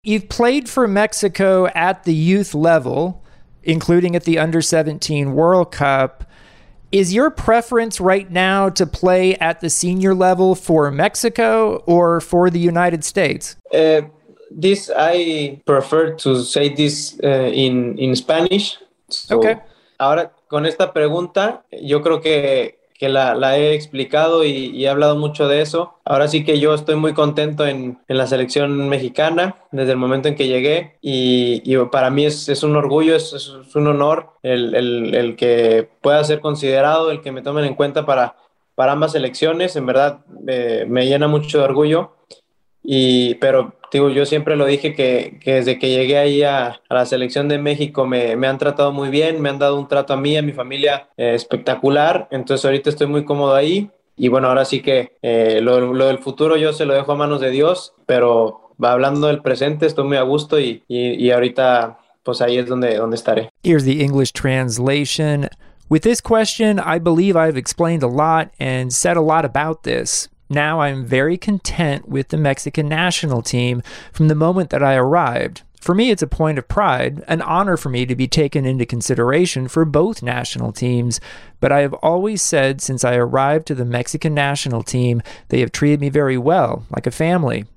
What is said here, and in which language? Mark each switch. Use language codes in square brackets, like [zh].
[en] You've played for Mexico at the youth level, including at the Under-17 World Cup. Is your preference right now to play at the senior level for Mexico or for the United States? This, I prefer to say this in Spanish. So, okay. [es] Ahora, con esta pregunta, yo creo que que la he explicado y he hablado mucho de eso. Ahora sí que yo estoy muy contento en la selección mexicana desde el momento en que llegué y para mí es un orgullo, es un honor el que pueda ser considerado, el que me tomen en cuenta para ambas selecciones. En verdad me llena mucho de orgullo. Pero digo, yo siempre lo dije que desde que llegué ahí a la selección de México me han tratado muy bien, me han dado un trato a mí, a mi familia espectacular, entonces ahorita estoy muy cómodo ahí y bueno, ahora sí que lo del futuro yo se lo dejo a manos de Dios, pero hablando del presente estoy muy a gusto y ahorita pues ahí es donde estaré. [en] Here's the English translation. With this question, I believe I've explained a lot and said a lot about this. Now I'm very content with the Mexican national team from the moment that I arrived. For me, it's a point of pride, an honor for me to be taken into consideration for both national teams, but I have always said since I arrived to the Mexican national team, they have treated me very well, like a family.